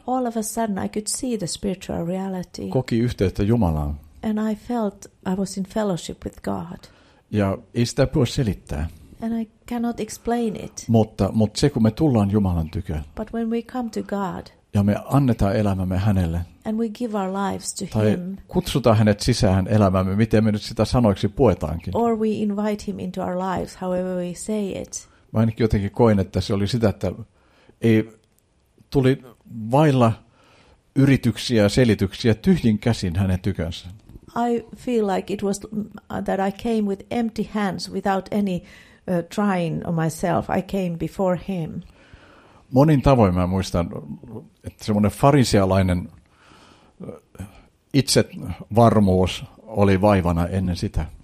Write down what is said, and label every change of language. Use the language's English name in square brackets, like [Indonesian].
[English] All of a sudden I could see the spiritual reality. [Finnish] Koki yhteyttä Jumalaan. [English] And I felt I was in fellowship with God. [Finnish] Ja ei sitä voi selittää. [English] And I cannot explain it. [Finnish] Mutta se, kun me tullaan Jumalan tykö. [English] But when we come to God. [Finnish] Ja me annetaan elämämme hänelle. [English] And we give our lives to [Finnish] tai [English] him. [Finnish] Kutsutaan hänet sisään elämämme, miten me nyt sitä sanoiksi puetaankin. [English] Or we invite him into our lives, however we say it. [Finnish] Mä ainakin jotenkin koin, että se oli sitä, että ei tuli vailla yrityksiä ja selityksiä tyhjin käsin hänen tykönsä. [English] I feel like it was that I came with empty hands without any trying on myself. I came before him. [Finnish] Monin tavoin mä muistan, että semmoinen farisealainen itsevarmuus oli vaivana ennen sitä.